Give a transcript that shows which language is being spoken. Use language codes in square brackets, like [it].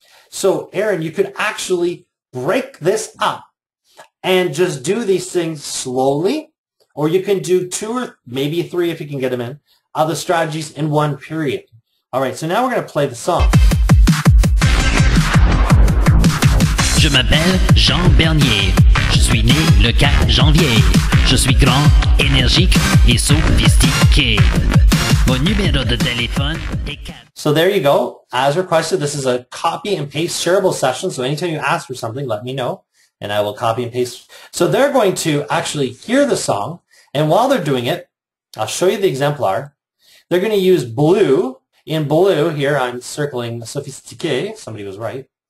[en] So, Aaron, you could actually break this up and just do these things slowly. Or you can do two or maybe three, if you can get them in, other strategies in one period. All right, so now we're going to play the song. [fr] Je m'appelle Jean Bernier. Je suis né le 4 janvier. Je suis grand, énergique et sophistiqué. Mon numéro de téléphone est 4. [en] So there you go. As requested, this is a copy and paste shareable session. So anytime you ask for something, let me know and I will copy and paste. So they're going to actually hear the song. And while they're doing it, I'll show you the exemplar. They're going to use blue. In blue here, I'm circling sophistiqué. Somebody was right.